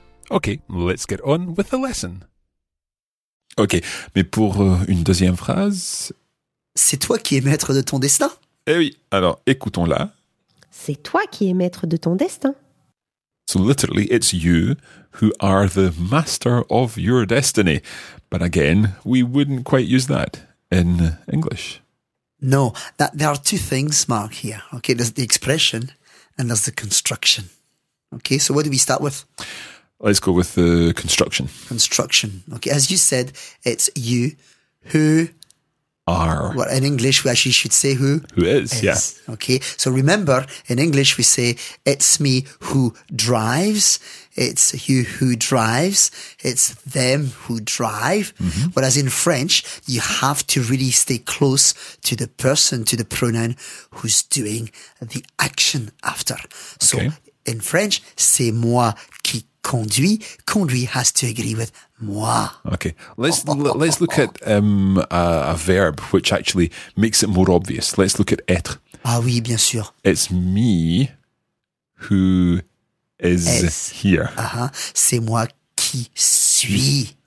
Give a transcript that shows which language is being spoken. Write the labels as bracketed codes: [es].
[en] Okay, let's get on with the lesson. [fr] Okay, mais pour une deuxième phrase... C'est toi qui es maître de ton destin. Eh oui, alors écoutons-la. C'est toi qui es maître de ton destin. [en] So literally, it's you who are the master of your destiny. But again, we wouldn't quite use that in English. No, that there are two things, Mark, here. Okay, there's the expression and there's the construction. Okay, so what do we start with? Let's go with the construction. Construction. Okay, as you said, it's you who... Are. Well, in English, we actually should say who... Who is, yeah. Okay, so remember, in English, we say, it's me who drives. It's you who drives. It's them who drive. Mm-hmm. Whereas in French, you have to really stay close to the person, to the pronoun who's doing the action after. So okay. [fr] In French, c'est moi qui conduit. [en] Conduit has to agree with moi. Okay, let's look at a verb which actually makes it more obvious. Let's look at être. [fr] Ah oui, bien sûr. [en] It's me who is here. [fr] Uh-huh. C'est moi qui suis.